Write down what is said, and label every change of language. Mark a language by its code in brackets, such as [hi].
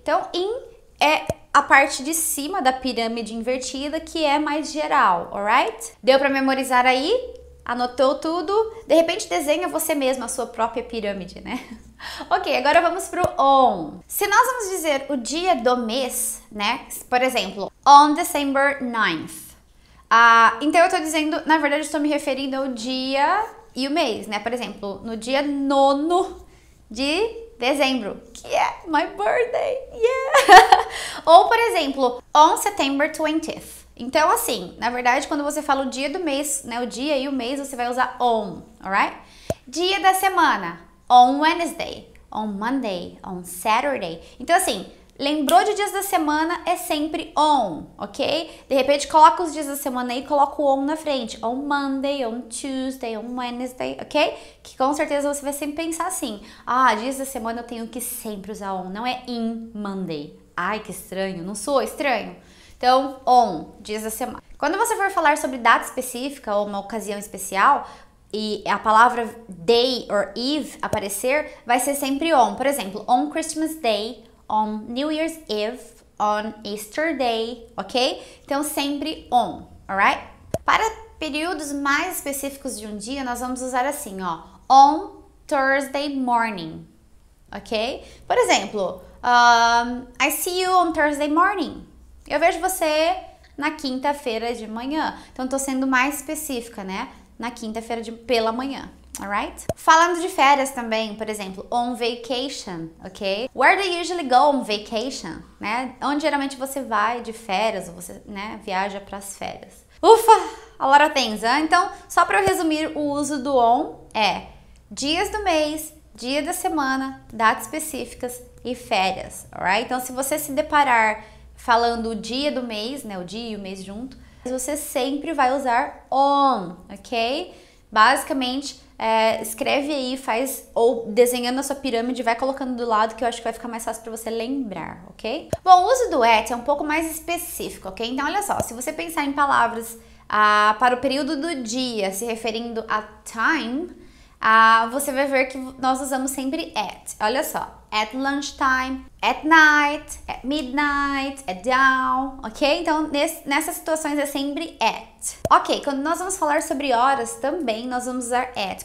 [pt] Então, in é a parte de cima da pirâmide invertida que é mais geral, [en] alright? [pt] Deu pra memorizar aí? Anotou tudo? De repente desenha você mesmo a sua própria pirâmide, né? Ok, agora vamos pro on. Se nós vamos dizer o dia do mês, né? Por exemplo, [en] on December 9th. [pt] Então eu tô dizendo, na verdade eu estou me referindo ao dia e o mês, né? Por exemplo, no dia 9 de dezembro, que é [en] my birthday, yeah! [pt] Ou, por exemplo, [en] on September 20th. [pt] Então, assim, na verdade, quando você fala o dia do mês, né? O dia e o mês, você vai usar on, [en] alright? [pt] Dia da semana, [en] on Wednesday, on Monday, on Saturday. [pt] Então, assim, lembrou de dias da semana, é sempre on, ok? De repente, coloca os dias da semana aí e coloca o on na frente. [en] On Monday, on Tuesday, on Wednesday, ok? [pt] Que com certeza você vai sempre pensar assim. Ah, dias da semana eu tenho que sempre usar on, não é [en] in Monday. [pt] Ai, que estranho, não soa estranho? Então, on, dias da semana. Quando você for falar sobre data específica ou uma ocasião especial e a palavra [en] day or eve [pt] aparecer, vai ser sempre on. Por exemplo, [en] on Christmas Day, on New Year's Eve, on Easter Day, ok? [pt] Então, sempre on, [en] alright? [pt] Para períodos mais específicos de um dia, nós vamos usar assim, ó, [en] on Thursday morning, [pt] ok? Por exemplo, [en] I see you on Thursday morning. [pt] Eu vejo você na quinta-feira de manhã. Então, tô sendo mais específica, né? na quinta-feira pela manhã, [en] alright? [pt] Falando de férias também, por exemplo, [en] on vacation, [pt] ok? [en] Where do you usually go on vacation? [pt] Né? Onde geralmente você vai de férias, ou você, né, viaja para as férias? Ufa! [en] A lot of things, huh? [pt] Então, só para resumir, o uso do on é dias do mês, dia da semana, datas específicas e férias, [en] alright? [pt] Então, se você se deparar falando o dia do mês, né, o dia e o mês junto, você sempre vai usar on, ok? Basicamente, escreve aí, faz, ou desenhando a sua pirâmide, vai colocando do lado, que eu acho que vai ficar mais fácil para você lembrar, [en] ok? [pt] Bom, o uso do at é um pouco mais específico, ok? Então, olha só, se você pensar em palavras para o período do dia, se referindo a time, você vai ver que nós usamos sempre at. Olha só, [en] at lunchtime, at night, at midnight, at dawn, ok? [pt] Então, nessas situações é sempre at. Ok, quando nós vamos falar sobre horas também, nós vamos usar at.